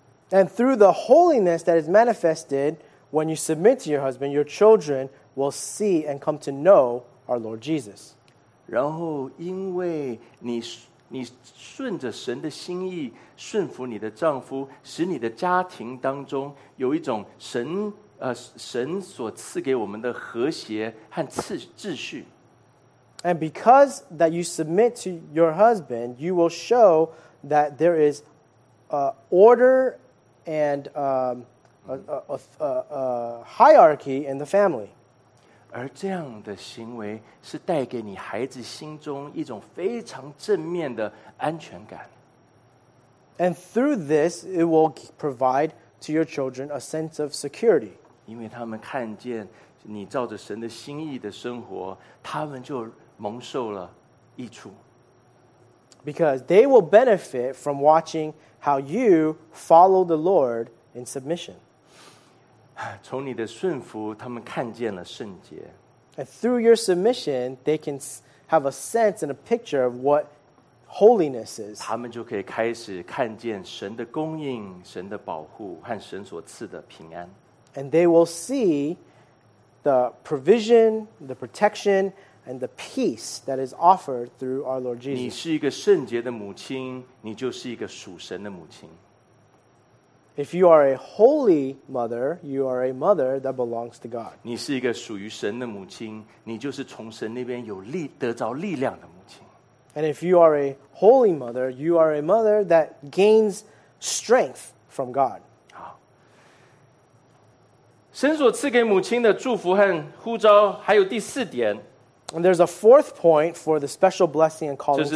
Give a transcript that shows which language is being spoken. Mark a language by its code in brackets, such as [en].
[en] And through the holiness that is manifested,When you submit to your husband, your children will see and come to know our Lord Jesus. [zh] 然后因为你顺着神的心意顺服你的丈夫，使你的家庭当中有一种神所赐给我们的和谐和秩序。 [en] And because that you submit to your husband, you will show that there is order and hierarchy in the family. [zh] 而这样的行为是带给你孩子心中一种非常正面的安全感。 [en] And through this, it will provide to your children a sense of security. [zh] 因为他们看见你照着神的心意的生活，他们就蒙受了益处。 [en] Because they will benefit from watching how you follow the Lord in submission. [zh] 从你的顺服，他们看见了圣洁。 [en] And through your submission, they can have a sense and a picture of what holiness is. [zh] 他们就可以开始看见神的供应、神的保护和神所赐的平安。 [en] And they will see the provision, the protection, and the peace that is offered through our Lord Jesus. [zh] 你是一个圣洁的母亲，你就是一个属神的母亲。 [en] If you are a holy mother, you are a mother that belongs to God. [zh] 你是一个属于神的母亲，你就是从神那边有力得着力量的母亲。 [en] And if you are a holy mother, you are a mother that gains strength from God. [zh] 好，神所赐给母亲的祝福和呼召，还有第四点。 [en] And there's a fourth point for the special blessing and calling to mothers.